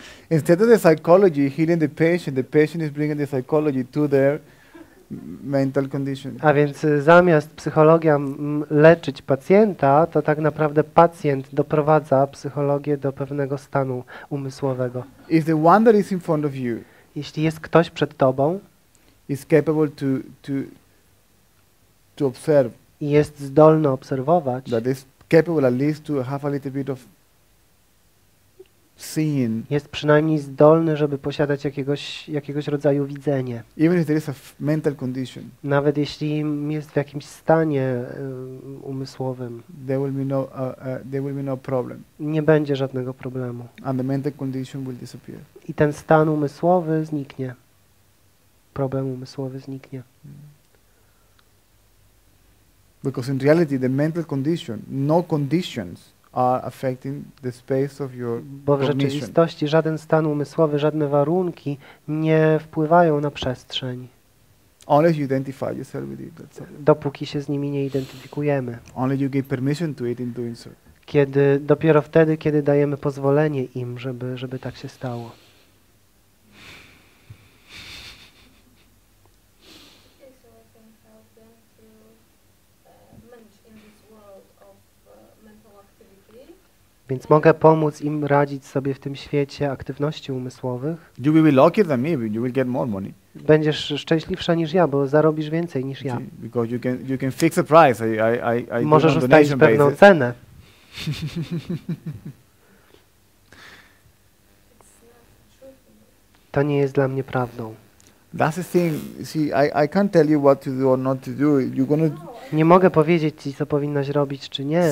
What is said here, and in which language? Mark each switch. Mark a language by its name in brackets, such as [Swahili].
[English] Instead of the psychology healing the patient is bringing the psychology to their mental condition. [Polish] A więc zamiast psychologia leczyć pacjenta, to tak naprawdę pacjent doprowadza psychologię do pewnego stanu umysłowego. [English] If the one that is in front of you, [Polish] jeśli jest ktoś przed tobą, [English] is capable to observe, [Polish] jest zdolny obserwować, [English] that is capable at least to have a little bit of seeing, [Polish] jest przynajmniej zdolny, żeby posiadać jakiegoś rodzaju widzenie. [English] Even if there is a mental condition, [Polish] nawet jeśli jest w jakimś stanie umysłowym, [English] there will be no problem. [Polish] Nie będzie żadnego problemu. [English] And the mental condition will disappear. [Polish] I ten stan umysłowy zniknie. Problem umysłowy zniknie. [English] Because in reality the mental condition, no conditions, are affecting the space of your cognition. [Polish] Bo w rzeczywistości żaden stan umysłowy, żadne warunki nie wpływają na przestrzeń. [English] Only you identify yourself with it, that's all. [Polish] Dopóki się z nimi nie identyfikujemy. [English] Only you give permission to it in doing so. [Polish] Kiedy, dopiero wtedy, kiedy dajemy pozwolenie im, żeby tak się stało. Więc mogę pomóc im radzić sobie w tym świecie aktywności umysłowych. [English] You will be luckier than me, you will get more money. [Polish] Będziesz szczęśliwsza niż ja, bo zarobisz więcej niż ja. [English] Because you can fix the price. I [Polish] możesz ustalić pewną cenę. To nie jest dla mnie prawdą. [English] That's the thing. See, I can't tell you what to do or not to do. You're gonna. [Polish] Nie mogę powiedzieć ci, co powinnaś robić, czy nie.